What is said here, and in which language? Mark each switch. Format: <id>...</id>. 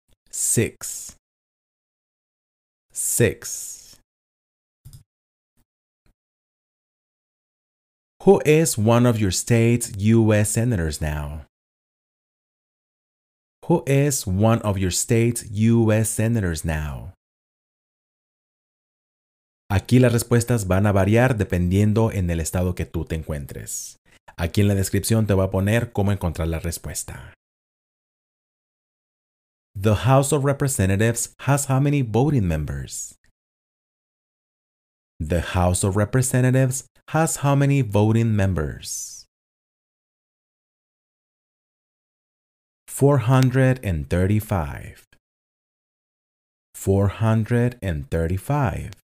<en>6. 6. Who is one of your state's U.S. senators now? Who is one of your state's U.S. senators now?</en> <es>Aquí las respuestas van a variar dependiendo en el estado que tú te encuentres. Aquí en la descripción te voy a poner cómo encontrar la respuesta.</es> <en>The House of Representatives has how many voting members? The House of Representatives has how many voting members? 435. 435.</en>